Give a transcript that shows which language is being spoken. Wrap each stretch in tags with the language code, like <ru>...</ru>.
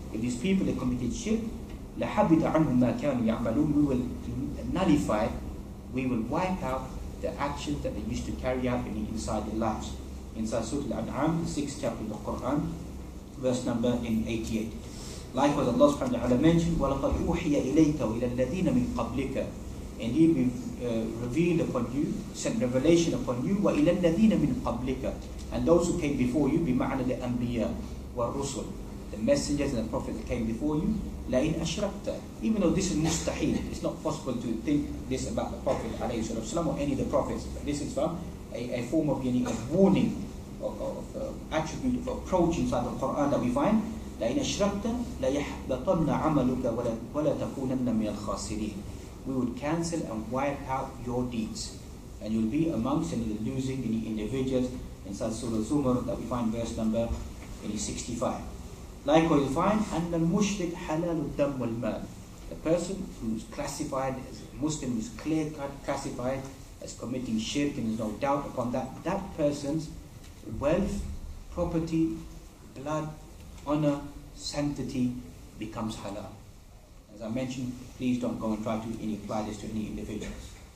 <en>If these people have committed shirk,</en> <ar>لَحَبِطَ عَنْهُمْ مَا كَانُوا يَعْمَلُونَ.</ar> <en>We will nullify, we will wipe out the actions that they used to carry out inside their lives. Inside Surah Al-An'am, the 6th chapter of the Qur'an, verse number 88. Likewise, Allah subhanahu wa ta'ala mentioned,</en> <ar>وَلَقَدْ أُوحِيَ إِلَيْكَ وَإِلَى الَّذِينَ مِنْ قَبْلِكَ.</ar> <en>And he revealed upon you, sent revelation upon you,</en> <ar>وَإِلَى الَّذِينَ مِنْ قَبْلِكَ.</ar> <en>And those who came before you,</en> <ar>بِمَعْنَى الْأَنْبِيَا وَالرُّسُلْ.</ar> <en>The messengers and the prophets that came before you,</en> <ar>لَإِنْ أَشْرَكْتَ.</ar> <en>Even though this is mustahil, it's not possible to think this about the Prophet alayhi salatu wasalam or any of the prophets. But this is from a form of a warning, of attribute of approach inside the Quran that we find.</en> <ar>لَإِنْ أَشْرَكْتَ لَيَحْبَطَنَّ عَمَلُكَ وَلَتَكُونَنَّ مِنَ الْخَاسِرِينَ.</ar> <en>We would cancel and wipe out your deeds, and you'll be amongst any losing any individuals inside Surah Zumar that we find verse number 65. Likewise, you find</en> <ar>أَنَّ الْمُشْرِكْ حَلَالُ الدَّمُ وَالْمَالِ.</ar> <en>The person who's classified as a Muslim, who's clear-cut, classified as committing shirk, and there's no doubt upon that, that person's wealth, property, blood, honor, sanctity becomes halal. As I mentioned, please don't go and try to apply this to any individuals.</en>